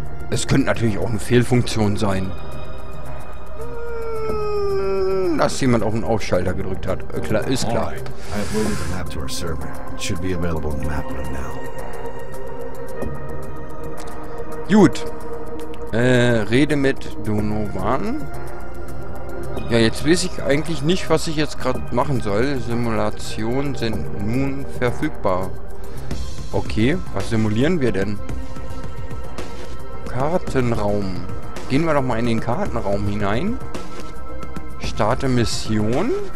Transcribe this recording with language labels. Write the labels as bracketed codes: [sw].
[de] Es könnte natürlich auch eine Fehlfunktion sein. dass jemand auf den Ausschalter gedrückt hat. Klar, ist klar. [en] I uploaded the map to our server. It should be available in the map room now. [de] Gut. Rede mit Donovan. Ja, jetzt weiß ich eigentlich nicht, was ich jetzt gerade machen soll. Simulationen sind nun verfügbar. Okay, was simulieren wir denn? Kartenraum. Gehen wir doch mal in den Kartenraum hinein. Starte Mission.